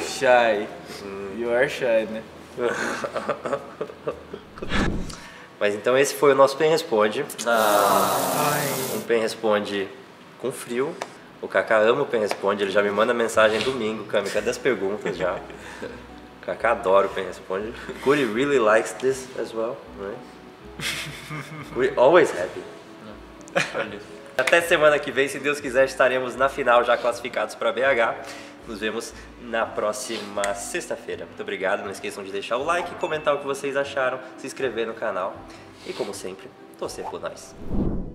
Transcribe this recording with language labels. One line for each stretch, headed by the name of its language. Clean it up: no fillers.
English: Shy. You are shy,
Portuguese: né? Mas então esse foi o nosso Pen Responde. Ah. Um Pen Responde com frio. O Kaká ama o Pen Responde, ele já me manda mensagem domingo, Cami. Cadê as perguntas já? O Kaká adora o Pen Responde.
English: Curi really likes this as well, right? We always happy.
Portuguese: Até semana que vem, se Deus quiser, estaremos na final já classificados para BH. Nos vemos na próxima sexta-feira. Muito obrigado, não esqueçam de deixar o like, comentar o que vocês acharam, se inscrever no canal. E como sempre, torcer por nós.